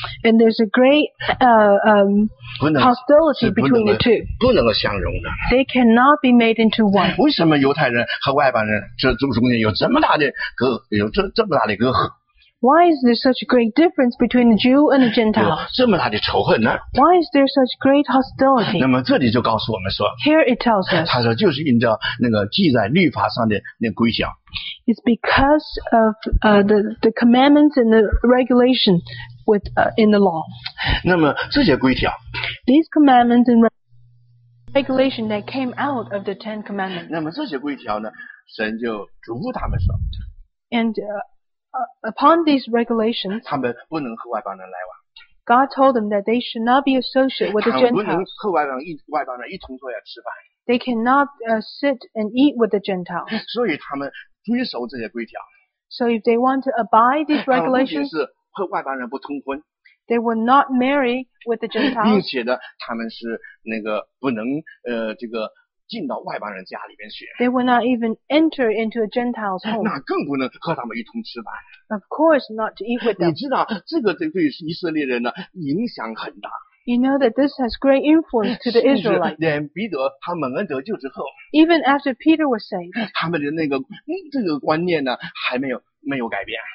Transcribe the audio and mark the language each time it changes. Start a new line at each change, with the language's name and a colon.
English: And there's a great hostility between the two.
Chinese: 不能够相容的。
English: They cannot be made into one.
Chinese: 为什么犹太人和外邦人这中间有这么大的隔，有这么大的隔阂？
English: Why is there such a great difference between the Jew and the Gentile?
Chinese: 有这么大的仇恨呢？
English: Why is there such great hostility?
Chinese: 那么这里就告诉我们说，
English: Here it tells us.
Chinese: 他说就是因着那个记在律法上的那规条。
English: It's because of the commandments and the regulation with in the law.
Chinese: 那么这些规条。
English: These commandments and regulation that came out of the Ten Commandments.
Chinese: 那么这些规条呢，神就嘱咐他们说。
English: And upon these regulations,
Chinese: 他们不能和外邦人来往。
English: God told them that they should not be associated with the Gentiles.
Chinese: 他们不能和外邦人一同坐下吃饭。
English: They cannot sit and eat with the Gentiles.
Chinese: 所以他们遵守这些规条。
English: So if they want to abide these regulations,
Chinese: 他们不仅是和外邦人不通婚。
English: They will not marry with the Gentiles.
Chinese: 并且呢，他们是那个不能这个。进到外邦人家里边去。
English: They will not even enter into a Gentile's home.
Chinese: 那更不能和他们一同吃饭。
English: Of course not to eat with them.
Chinese: 你知道这个对以色列人呢影响很大。
English: You know that this has great influence to the Israelites.
Chinese: 连彼得他蒙恩得救之后。
English: Even after Peter was saved.
Chinese: 他们的那个这个观念呢还没有改变。